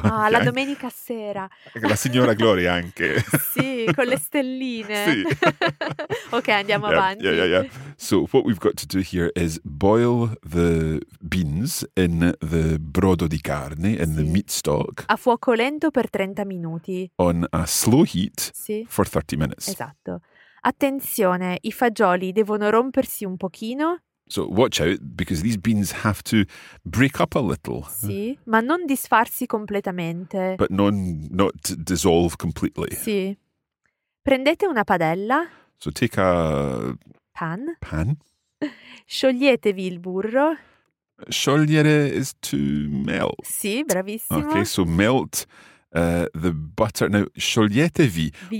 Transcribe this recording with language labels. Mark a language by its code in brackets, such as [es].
[it] Ah, la domenica sera. La signora Gloria anche. Sì, con le stelline. Sì. Okay, andiamo avanti. [en] Yeah. So what we've got to do here is boil the beans in the [it] brodo di carne, [en] in the meat stock. [it] A fuoco lento per 30 minuti. [en] On a slow heat for 30 minutes. [it] Esatto. Attenzione, I fagioli devono rompersi un pochino. [en] So watch out, because these beans have to break up a little. [it] Sì, ma non disfarsi completamente. [en] But not dissolve completely. [it] Sì. Prendete una padella. [en] So take a... [it] Pan. Scioglietevi il burro. [en] Sciogliere is to melt. [it] Sì, bravissimo. [en] Okay, so melt the butter. Now, scioglietevi.